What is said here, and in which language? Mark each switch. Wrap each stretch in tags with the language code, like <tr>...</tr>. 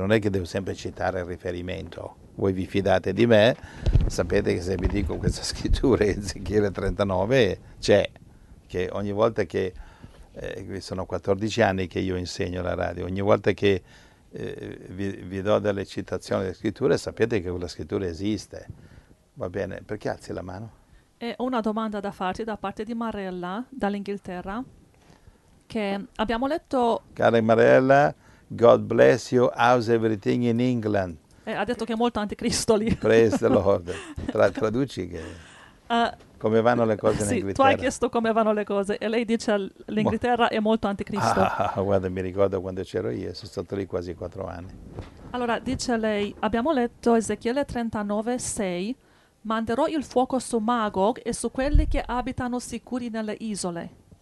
<it>Non è che devo sempre citare il riferimento. Voi vi fidate di me, sapete che se vi dico questa scrittura in Ezechiele 39, c'è, che ogni volta che, sono 14 anni che io insegno la radio, ogni volta che vi do delle citazioni delle scritture, sapete che quella scrittura esiste, va bene? Perché alzi la mano? E una domanda da farti da parte di Marella dall'Inghilterra, che abbiamo letto. Cara Marella,</it> <en>God bless you, how's everything in England?</en> <it>Ha detto che è molto anticristo lì.</it> <en>Praise the Lord.</en> <it>Traduci che come vanno le cose, sì, in Inghilterra. Tu hai chiesto come vanno le cose e lei dice l'Inghilterra è molto anticristo. Guarda, mi ricordo quando c'ero io, sono stato lì quasi 4 anni. Allora, dice lei, abbiamo letto Ezechiele 39:6, manderò il fuoco su Magog e su quelli che abitano sicuri nelle isole.</it>